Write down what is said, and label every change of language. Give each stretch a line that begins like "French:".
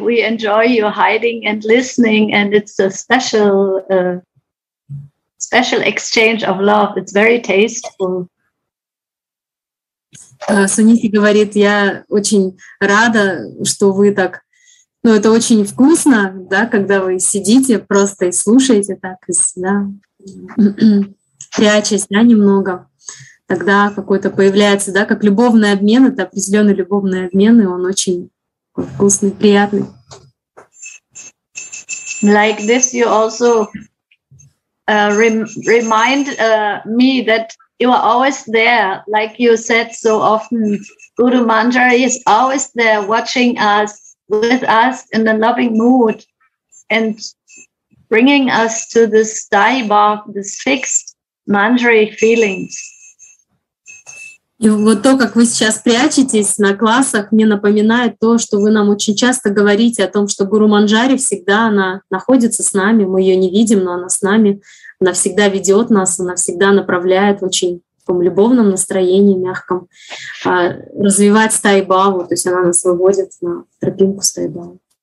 English: We enjoy your hiding and listening, and it's a special, special exchange of love. It's very tasteful.
Russian: Суните говорит, я очень рада, что вы так. Ну, это очень вкусно, да, когда вы сидите просто и слушаете так, и, да, прячась, да, немного. Тогда какой-то появляется, да, как любовный обмен. Это определенный любовный обмен, и он очень вкусный, приятный.
English: Like this, you also remind me that you are always there, like you said so often. Guru Manjari is always there, watching us, with us in a loving mood, and bringing us to this dialogue, this fixed Manjari feelings.
Russian: И вот то, как вы сейчас прячетесь на классах, мне напоминает то, что вы нам очень часто говорите о том, что Гуру Манджари всегда она находится с нами, мы ее не видим, но она с нами, она всегда ведет нас, она всегда направляет в очень таком любовном настроении, мягком, развивать стайбаву, то есть она нас выводит на тропинку стайбаву.